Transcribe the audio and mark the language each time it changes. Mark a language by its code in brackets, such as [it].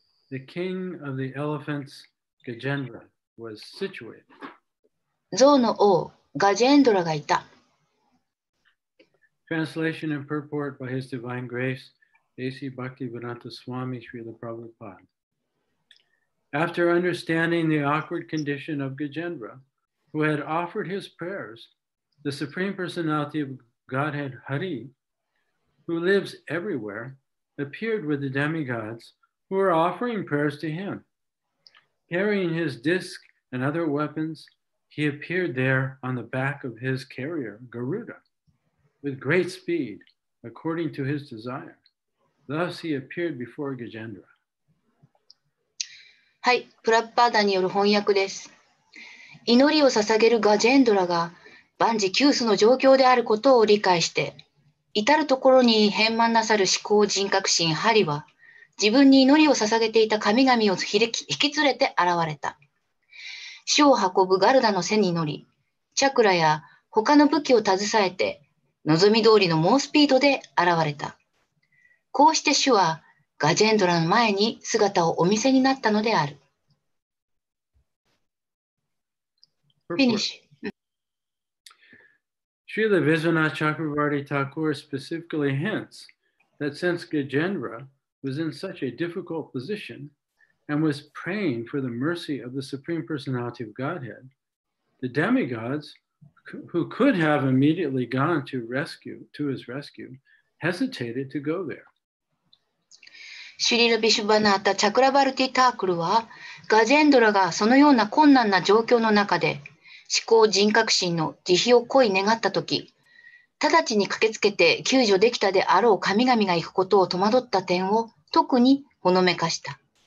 [en] The king of the elephants, Gajendra, was situated. [ja] 象の王、ガジェンドラがいた。 [en] Translation and purport by His Divine Grace, A.C. Bhaktivedanta Swami Srila Prabhupada. After understanding the awkward condition of Gajendra, who had offered his prayers, the Supreme Personality of Godhead Hari, who lives everywhere, appeared with the demigods who were offering prayers to him. Carrying his disc and other weapons,He appeared there on the back of his carrier, Garuda, with great speed, according to his desire. Thus he appeared before Gajendra. [ja] はい、プラッパーダによる翻訳です。祈りを捧げるガジェンドラが万事休すの状況であることを理解して、至るところに変満なさる思考人格心ハリは、自分に祈りを捧げていた神々を引き連れて現れた。主を運ぶガルダの背に乗り、チャクラや他の武器を携えて、望み通りの猛スピードで現れた。こうして主はガジェンドラの前に姿をお見せになったのである。フィニッシュ。 [en] Srila Viswanath Chakravarti Thakur specifically hints that since Gajendra was in such a difficult position,and was praying for the mercy of the Supreme Personality of Godhead, the demigods, who could have immediately gone to his rescue, hesitated to go there. [ja] シュリル・ビシュバナータ・チャクラバルティ・タークルは、ガジェンドラがそのような困難な状況の中で、思考人格心の慈悲を恋い願ったとき、直ちに駆けつけて救助できたであろう神々が行くことを戸惑った点を特にほのめかした。